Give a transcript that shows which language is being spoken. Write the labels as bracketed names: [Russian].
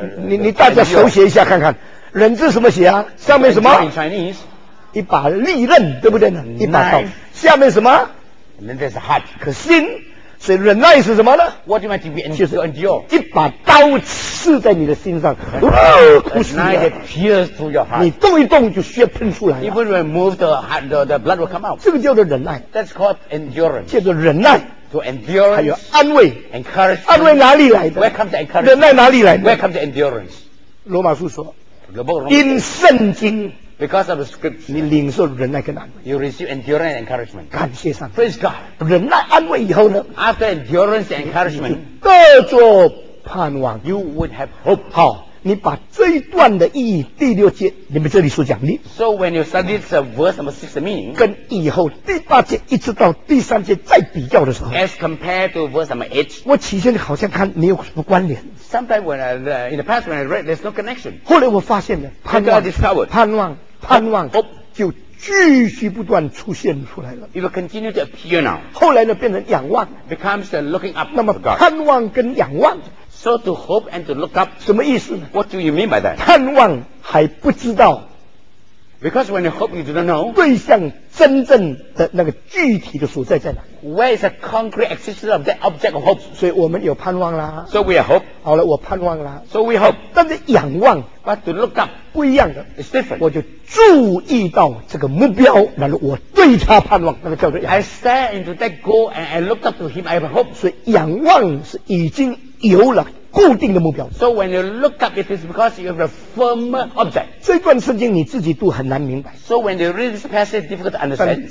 [Chinese] 你大家手写一下看看。忍字什么写啊？上面什么？ [English] In Chinese, [Chinese] 一把利刃，对不对呢？一把刀。下面什么？ [English] And then there's heart. [Chinese] 可心，所以忍耐是什么呢？ [English] What do you mean to be endure? [Chinese] 就是 [English] endure. [Chinese] 一把刀刺在你的心上，哇，不是你啊。 [English] A knife pierces through your heart. [Chinese] 你动一动就血喷出来。 [English] Even when move the heart, the blood will come out. [Chinese] 这个叫做忍耐。 [English] That's called endurance. [Chinese] 叫做忍耐。 [English] To endurance. [Chinese] 还有安慰。 [English] Encourage. [Chinese] 安慰哪里来的？ [English] Where comes the encouragement? [Chinese] 忍耐哪里来的？ [English] Where comes the endurance? [Chinese] 罗马书说。因圣经 [English] ，because of the scriptures， [Chinese] 你领受忍耐跟安慰 [English] ，you receive endurance and encouragement。 [Chinese] 感谢上帝 [English] ，praise God。 [Chinese] 忍耐安慰以后呢 [English] ，after endurance and encouragement， [Chinese] 各做盼望 [English] ，you would have hope。 [Chinese] 好，你把这一段的意义第六节，你们这里所讲的 [English] ，so when you study the verse number six meaning， [Chinese] 跟以后第八节一直到第三节再比较的时候 [English] ，as compared to verse number eight， [Chinese] 我起先好像看没有什么关联。 [English] Sometimes when I in the past when I read, there's no connection. [Chinese] 后来我发现了，盼望 [English] discovered, [Chinese] 盼望盼望就继续不断出现出来了。 [English] It will continue to appear now. [Chinese] 后来呢，变成仰望 [English] becomes the looking up. [Chinese] 那么盼望跟仰望 [English] ，so to hope and to look up, [Chinese] 什么意思呢 [English] ？What do you mean by that? [Chinese] 盼望还不知道 [English] ，because when you hope, you do not know. [Chinese] 对象真正的那个具体的所在在哪？ [English] Where is the concrete existence of that object of hope? [Chinese] 所以我们有盼望啦。 [English] So we have hope. [Chinese] 好了，我盼望啦。 [English] So we hope. [Chinese] 但是仰望 [English] ，but to look up [Chinese] 不一样的 [English] ，it's different. [Chinese] 我就注意到这个目标，然后我对他盼望，那个叫做仰望。 [English] I stare into that goal and I look up to him. I have hope. [Chinese] 所以仰望是已经有了。固定的目标。 [English] So when you look up, it is because you have a firm object. [Chinese] 这段圣经你自己读很难明白。 [English] So when you read this passage, it's difficult to understand.